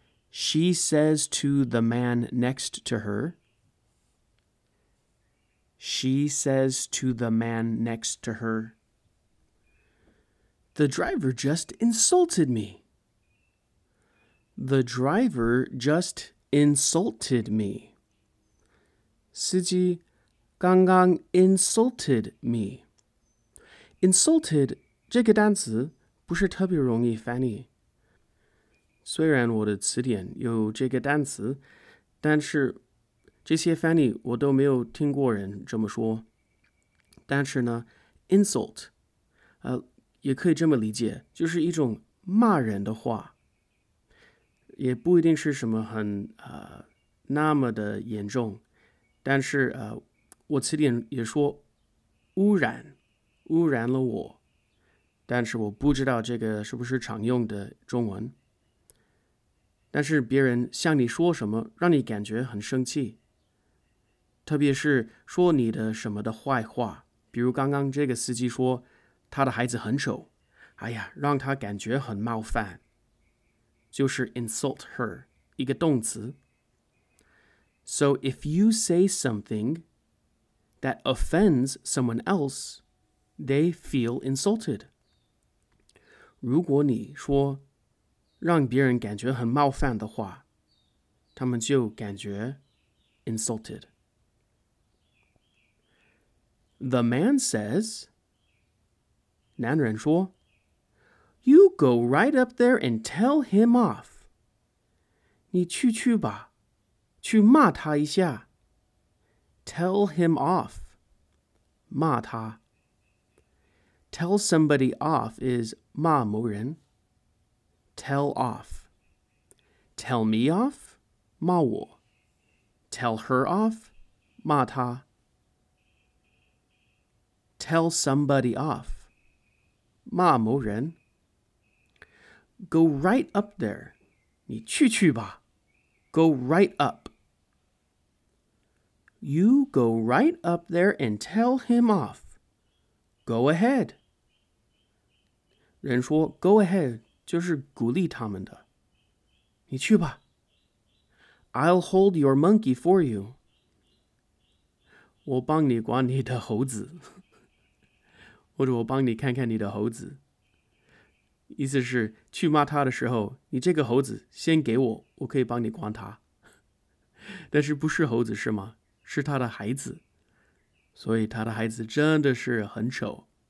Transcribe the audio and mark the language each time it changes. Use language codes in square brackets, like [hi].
[en] She says to the man next to her. She says to the man next to her. The driver just insulted me. The driver just insulted me. [zh] 司机刚刚 [en] insulted me. [zh] Insulted 这个单词不是特别容易翻译。虽然我的词典有这个单词，但是这些翻译我都没有听过人这么说。但是呢 ，insult， 也可以这么理解，就是一种骂人的话，也不一定是什么很那么的严重。但是我词典也说污染了我，但是我不知道这个是不是常用的中文。但是别人向你说什么，让你感觉很生气，特别是说你的什么的坏话，比如刚刚这个司机说他的孩子很丑，哎呀，让他感觉很冒犯，就是 [en] insult her， [zh] 一个动词。 [en] So if you say something that offends someone else, they feel insulted. [zh] 如果你说让别人感觉很冒犯的话，他们就感觉 insulted. [en] The man says, [zh] 男人说 [en] You go right up there and tell him off. [zh] 你去吧。去骂他一下。 [en] Tell him off. [zh] 骂他。 [en] Tell somebody off is [zh] 骂某人。 [en] Tell off. Tell me off? [zh] 骂我。 [en] Tell her off? [zh] 骂他。 [en] Tell somebody off. [zh] 骂某人。 [en] Go right up there. [zh] 你去吧。 [en] Go right up. You go right up there and tell him off. Go ahead. [zh] 人说 [en] go ahead [zh] 就是鼓励他们的。你去吧。 [en] I'll hold your monkey for you. [zh] 我帮你管你的猴子。或者我帮你看看你的猴子。意思是去骂他的时候，你这个猴子先给我，我可以帮你管他。但是不是猴子是吗？是他的孩子，所以他的孩子真的是很丑。